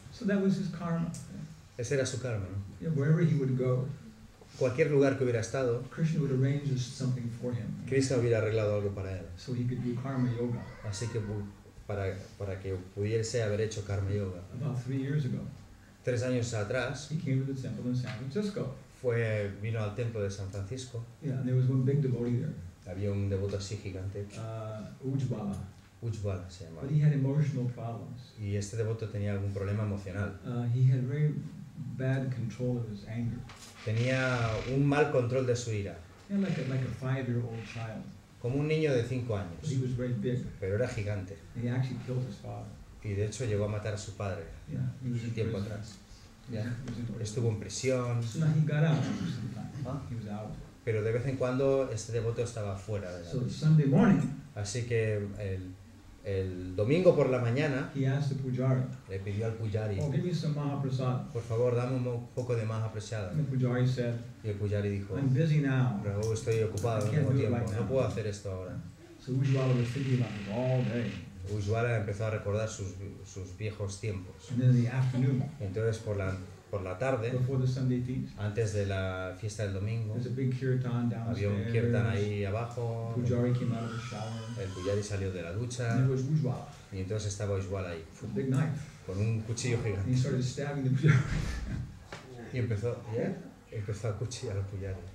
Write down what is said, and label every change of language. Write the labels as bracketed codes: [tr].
[en] So that was his karma. [es] Ese era su karma, ¿no? [en] Yeah, wherever he would go. [es] Cualquier lugar que hubiera estado, [en] Krishna would arrange something for him. [es] Krishna hubiera arreglado algo para él. [en] So he could do karma yoga. [es] Así que para que pudiese haber hecho karma yoga. [en] About 3 years ago. [es] 3 años atrás. [en] He came to the temple in San Francisco. [es] vino al templo de San Francisco. [en] Yeah, and there was one big devotee there. [es] Había un devoto así gigante. [en] Ujjwala. [es] Ujjwala se llamaba. [en] But he had emotional problems. [es] Y este devoto tenía algún problema emocional. [en] He had very bad control of his anger. [es] Tenía un mal control de su ira. [en] Yeah, like a 5-year-old child. [es] Como un niño de 5 años. [en] But he was very big. [es] Pero era gigante. [en] And he actually killed his father. [es] Y de hecho llegó a matar a su padre. Yeah, un tiempo atrás. Yeah. Estuvo en prisión. [en] So now he got out. He was out. [es] Pero de vez en cuando este devoto estaba fuera. [en] So Sunday morning, [es] así que el domingo por la mañana, [en] he asked the pujari, [es] le pidió al pujari, [en] oh, give me some mahaprasad. [es] Por favor, dame un poco de mahaprasada. [en] The pujari said, [es] y el pujari dijo, [en] I'm busy now. [es] Rahu, estoy ocupado, no tengo tiempo, [en] right, [es] no puedo hacer esto ahora. [en] So Ujjwala was thinking about it all day. [es] Ujjwala empezó a recordar sus viejos tiempos. Entonces por la tarde, antes de la fiesta del domingo, había un kirtan ahí abajo. El pujari salió de la ducha y entonces estaba Ujjwala ahí con un cuchillo gigante y empezó a cuchillar al pujari.